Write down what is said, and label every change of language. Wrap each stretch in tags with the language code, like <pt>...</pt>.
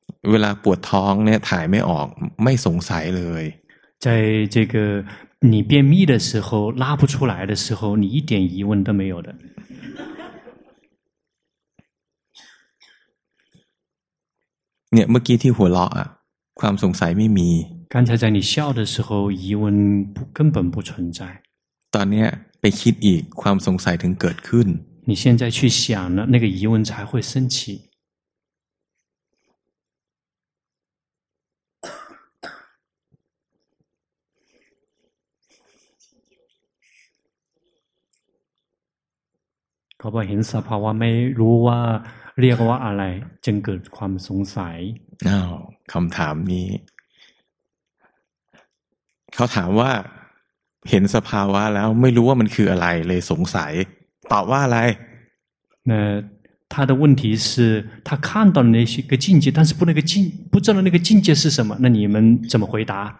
<th>เวลาปวดท้องเนี่ยถ่ายไม่ออกไม่สงสัยเลย</th> <zh>在这个你便秘的时候拉不出来的时候你一点疑问都没有的</zh> <th>เนี่ยเมื่อกี้ที่หัวเราะอ่ะความสงสัยไม่มี</th> <zh>刚才在你笑的时候疑问根本不存在</zh> <th>ตอนนี้ไปคิดอีกความสงสัยถึงเกิดขึ้น</th> <zh>你现在去想了那个疑问才会升起</zh> <th>เขาบอกเห็นสภาวะไม่รู้ว่าเรียกว่าอะไรจึงเกิดความสงสัย อ้าวคำถามนี้เขาถามว่าเห็นสภาวะแล้วไม่รู้ว่ามันคืออะไรเลยสงสัยตอบว่าอะไร</th> <zh>他的问题是他看到了那些个境界但是不那个境不知道那个境界是什么那你们怎么回答</zh>